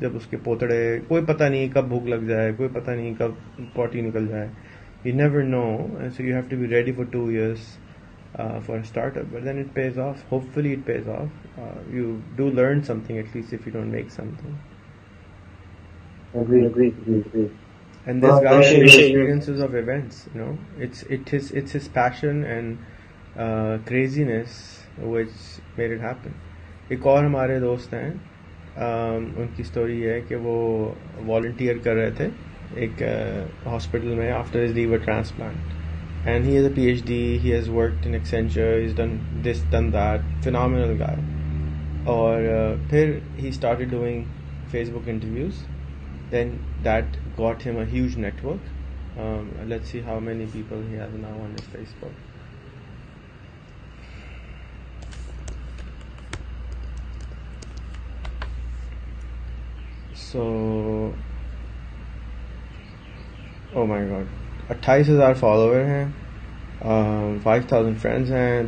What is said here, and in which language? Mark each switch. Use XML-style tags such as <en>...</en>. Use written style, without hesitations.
<hi>जब उसके पोतड़े, कोई पता नहीं कब भूख लग जाए, कोई पता नहीं कब पॉटी निकल जाए,</hi> <en>You never know. So you have to be ready for 2 years for startup, but then it pays off, hopefully it pays off. You do learn something at least if you don't make something. Agree, agree, agree, agree. And this guy has experiences of events, you know. It's his passion and craziness which made it happen.</en> <hi>एक और हमारे दोस्त हैं, उनकी story है कि वो volunteer कर रहे थे एक हॉस्पिटल में</hi> <en>After his liver transplant, and he has a PhD, he has work in Accenture, is done this done that, phenomenal guy.</en> <hi>और फिर</hi> <en>He started doing Facebook interviews, then that got him a huge network. Let's see how many people he has now on his Facebook. So, oh my God, 28,000 followers हैं, 5,000 friends हैं.</en>